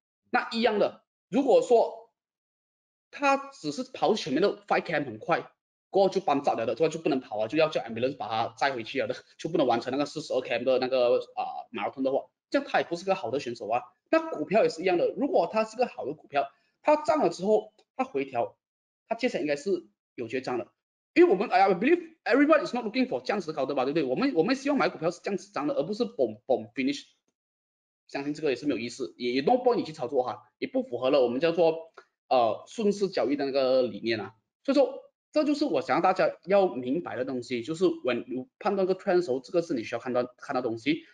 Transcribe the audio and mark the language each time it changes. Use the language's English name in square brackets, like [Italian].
[Chinese] 那一样的，如果说他只是跑前面的 5km 很快过后就搬走了的，这就不能跑啊，就要叫 ambulance 把他载回去了的，就不能完成那个 42km 的那个马拉松的话，这样他也不是个好的选手啊。那股票也是一样的，如果他是个好的股票，他涨了之后他回调，他接下来应该是有绝涨的。因为我们 [English] I believe everybody is not looking for [Chinese] 这样子高的吧，对不对？我们希望买股票是这样子涨的，而不是 [English] boom boom finish。 [Chinese] 相信这个也是没有意思，也 [English] no point [Chinese] 你去操作哈，也不符合了我们叫做顺势交易的那个理念啊。所以说这就是我想要大家要明白的东西，就是 when 你判断个 trend 的时候，这个是你需要看到东西。